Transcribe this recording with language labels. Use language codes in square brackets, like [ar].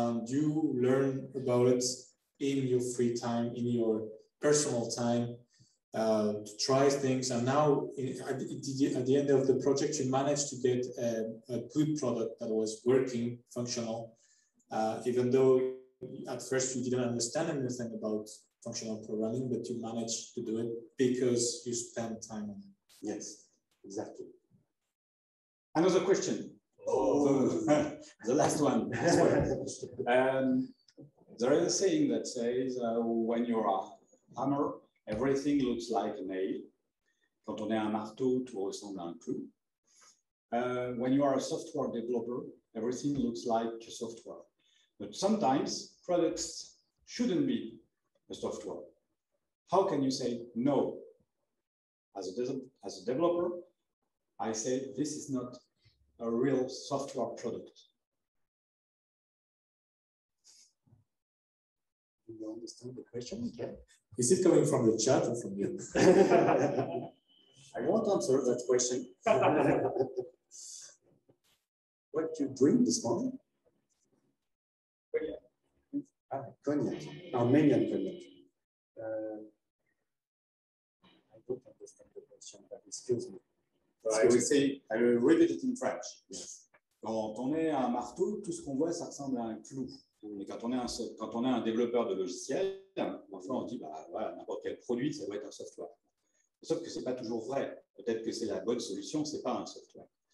[en] You learn about it in your free time, in your personal time to try things, and now at the end of the project you managed to get a good product that was working, functional, even though at first you didn't understand anything about functional programming, but you managed to do it because you spent time on it. Yes, exactly. Another question. Oh, the last one. There is a saying that says when you are hammer, everything looks like a nail. [fr] Quand on est un marteau, tout ressemble à un clou. [en] When you are a software developer, everything looks like a software. But sometimes products shouldn't be a software. How can you say no? As a developer, I say this is not a real software product. You understand the question? Okay. Is it coming from the chat or from you? I won't answer that question. What do you drink this morning? Cognac. Cognac. Armenian cognac. I don't understand the question, but excuse me. So I will say, I will repeat it in French. Yes. [fr] Quand on est un marteau, tout ce qu'on voit, ça ressemble à un clou. Mais quand on est un développeur de logiciel, enfin on dit bah voilà, n'importe quel produit, ça doit être un software. Sauf que ce n'est pas toujours vrai. Peut-être que c'est la bonne solution, ce n'est pas un software.